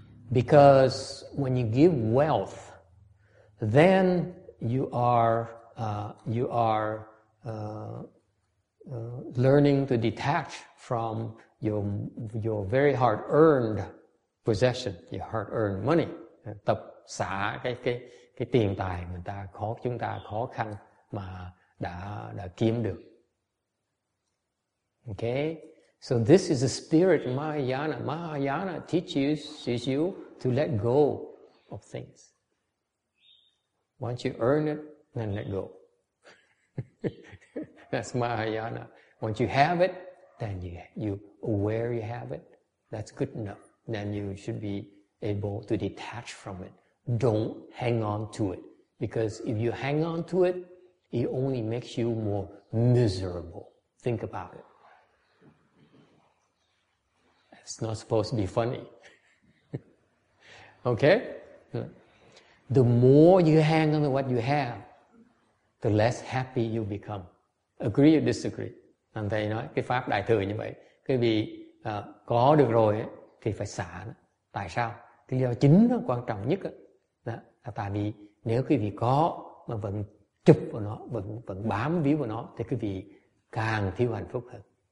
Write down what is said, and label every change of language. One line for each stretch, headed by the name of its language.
English: Because when you give wealth, then you are learning to detach from your very hard earned possession, your hard earned money.
Vietnamese: Tập xả cái tiền tài mà chúng ta khó khăn mà đã kiếm được.
English: Okay. So this is the spirit of Mahayana. Mahayana teaches you to let go of things. Once you earn it, then let go. That's Mahayana. Once you have it, then you aware you have it. That's good enough. Then you should be able to detach from it. Don't hang on to it. Because if you hang on to it, it only makes you more miserable. Think about it. It's not supposed to be funny. Okay? The more you hang on to what you have, the less happy you become. Agree or disagree?
Vietnamese: Thằng thầy nói, cái pháp đại thừa như vậy, cái vì có được rồi ấy, thì phải xả. Tại sao? Cái lý do chính nó quan trọng nhất đó, là tại vì nếu quý vị có mà vẫn chụp vào nó, vẫn bám víu vào nó, thì quý vị càng thiếu hạnh phúc hơn.